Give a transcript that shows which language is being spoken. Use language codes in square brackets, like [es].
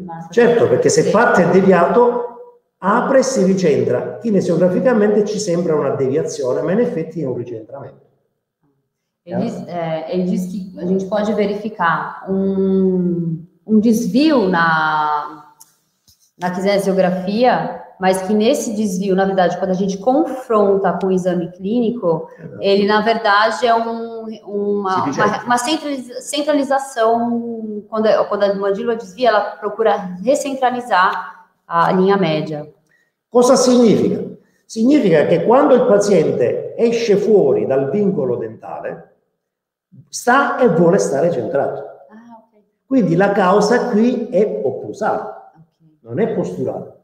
[it] Certo, perché se parte deviato, apre e si ricentra. Kinesiograficamente ci sembra una deviazione, ma in effetti è un ricentramento. [pt] Ele diz que a gente pode verificar um desvio na quinesiografia, mas que nesse desvio, na verdade, quando a gente confronta com o exame clínico, ele, na verdade, é uma centralização. Quando a mandíbula desvia, ela procura recentralizar a linha média. [it] Cosa significa? Significa que [pt] quando o paciente [it] esce fuori dal vincolo dentale, sta e vuole stare centrato. Ah, okay. Quindi la causa qui è occlusale, non è posturale.